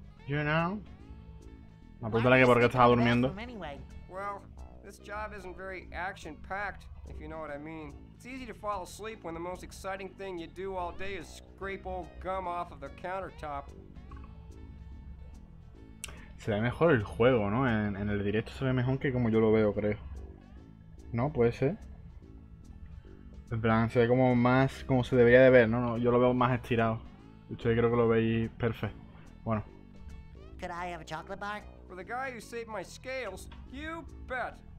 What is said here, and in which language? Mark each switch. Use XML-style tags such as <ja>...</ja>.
<en>You know?</en> <es>Me apuntaré que porque estaba durmiendo.</es> <en>Well, this job isn't very action-packed, if you know what I mean. It's easy to fall asleep when the most exciting thing you do all day is scrape old gum off of the countertop.</en> <es>Se ve mejor el juego, ¿no? En el directo se ve mejor que como yo lo veo, creo. ¿No? Puede ser. En plan, se ve como más como se debería de ver, ¿no? No, yo lo veo más estirado. Ustedes creo que lo veis perfecto. Bueno.</es> <en>Could I have a chocolate bar? or the guy who saved my scales, you bet.</en>